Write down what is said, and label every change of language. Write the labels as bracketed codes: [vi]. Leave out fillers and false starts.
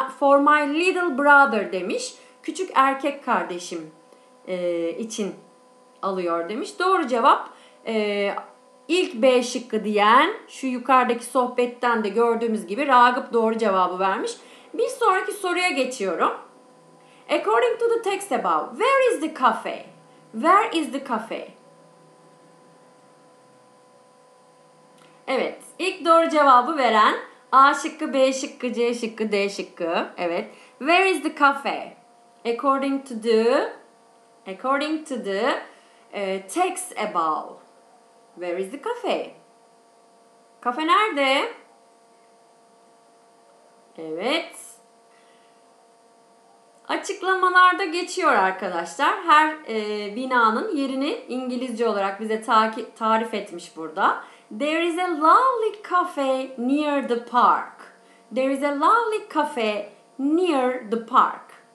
[en] For my little brother [tr] demiş. Küçük erkek kardeşim için alıyor demiş. Doğru cevap ilk B şıkkı diyen, şu yukarıdaki sohbetten de gördüğümüz gibi Ragıp doğru cevabı vermiş. Bir sonraki soruya geçiyorum. [en] According to the text above, where is the cafe? Where is the cafe? [tr] Evet, ilk doğru cevabı veren A şıkkı, B şıkkı, C şıkkı, D şıkkı. [en] Evet, where is the cafe? According to the text above, where is the cafe? [tr] Kafe nerede? Evet. Açıklamalarda geçiyor arkadaşlar. Her binanın yerini İngilizce olarak bize tarif etmiş burada. [en] There is a lovely cafe near the park. There is a lovely cafe near the park.